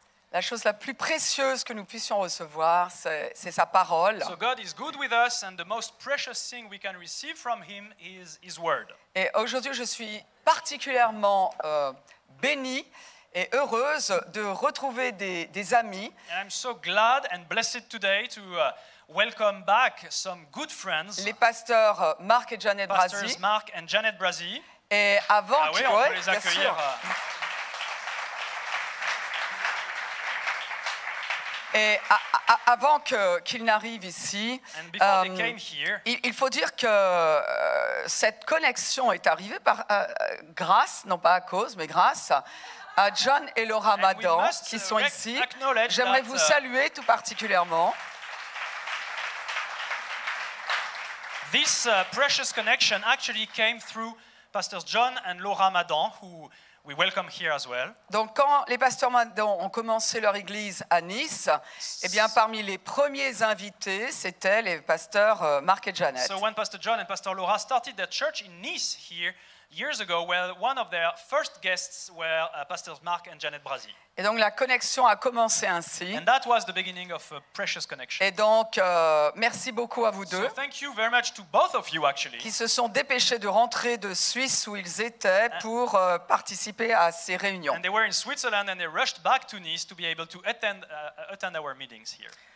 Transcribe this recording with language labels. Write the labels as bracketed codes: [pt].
[fr] La chose la plus précieuse que nous puissions recevoir, c'est sa parole. [en] So God is good with us, and the most precious thing we can receive from Him is His word. [fr] Et aujourd'hui, je suis particulièrement bénie et heureuse de retrouver des amis. [en] And I'm so glad and blessed today to welcome back some good friends. [fr] Les pasteurs Mark et Janet Brazzi. [en] Pastors Mark and Janet Brazzi. [fr] Et avant, ah oui, on peut les accueillir. Et avant qu'ils n'arrivent ici, il faut dire que cette connexion est arrivée par grâce, non pas à cause, mais grâce à John et Laura Madan qui sont ici. J'aimerais vous saluer tout particulièrement. [en] This precious connection actually came through Pastors John and Laura Madan, who we welcome here as well. [fr] Donc, quand les pasteurs Madan ont commencé leur église à Nice, eh bien, parmi les premiers invités, c'était les pasteurs Mark et Janet. [en] So, when Pastor John and Pastor Laura started their church in Nice here years ago, well, one of their first guests were Pastors Mark and Janet Brazzi. [fr] Et donc, la connexion a commencé ainsi. [en] And that was the beginning of a precious connection. [fr] Et donc, merci beaucoup à vous deux. [en] So thank you very much to both of you, actually. [fr] Qui se sont dépêchés de rentrer de Suisse où ils étaient pour participer à ces réunions. [en] And they were in Switzerland and they rushed back to Nice to be able to attend our meetings here.